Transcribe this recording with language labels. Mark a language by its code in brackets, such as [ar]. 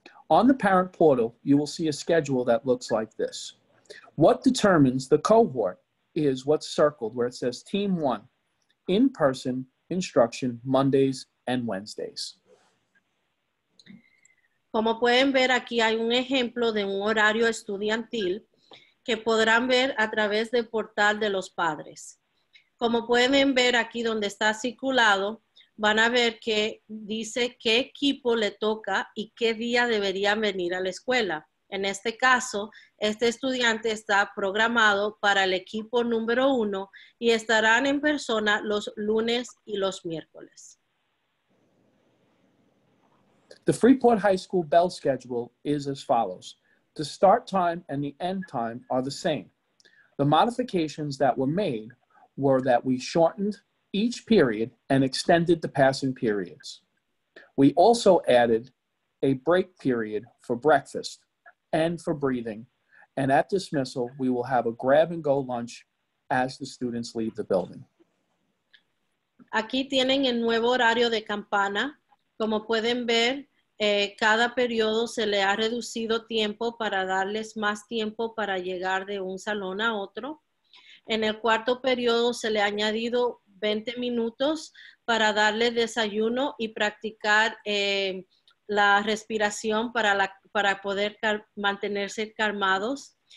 [en] On the parent portal, you will see a schedule that looks like this. What determines the cohort? Is what's circled where it says Team 1, in-person instruction Mondays and Wednesdays. [es] Como pueden ver, aquí hay un ejemplo de un horario estudiantil que podrán ver a través del portal de los padres. Como pueden ver aquí donde está circulado, van a ver que dice qué equipo le toca y qué día deberían venir a la escuela. En este caso, este estudiante está programado para el equipo número 1 y estarán en persona los lunes y los miércoles. [en] The Freeport High School bell schedule is as follows. The start time and the end time are the same. The modifications that were made were that we shortened each period and extended the passing periods. We also added a break period for breakfast and for breathing, and at dismissal, we will have a grab-and-go lunch as the students leave the building. [es] Aquí tienen el nuevo horario de campana. Como pueden ver, cada periodo se le ha reducido tiempo para darles más tiempo para llegar de un salón a otro. En el cuarto periodo se le ha añadido 20 minutos para darle desayuno y practicar la respiración para la para poder mantenerse calmados.